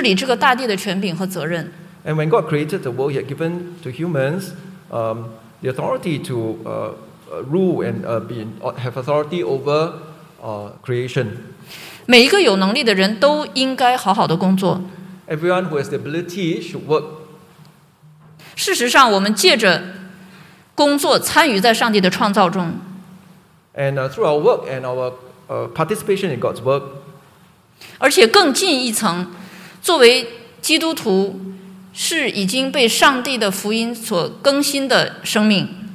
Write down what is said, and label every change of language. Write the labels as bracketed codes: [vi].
[zh] 在上帝创造的时候，上帝就赋予了人类治理这个大地的权柄和责任。 [en] And when God created the world, He had given to humans the authority to rule and have authority over creation. [zh] 每一个有能力的人都应该好好的工作。 [en] Everyone who has the ability should work. [zh] 事实上，我们借着 工作参与在上帝的创造中， [en] and through our work and our participation in God's work， [zh] 而且更进一层，作为基督徒，是已经被上帝的福音所更新的生命。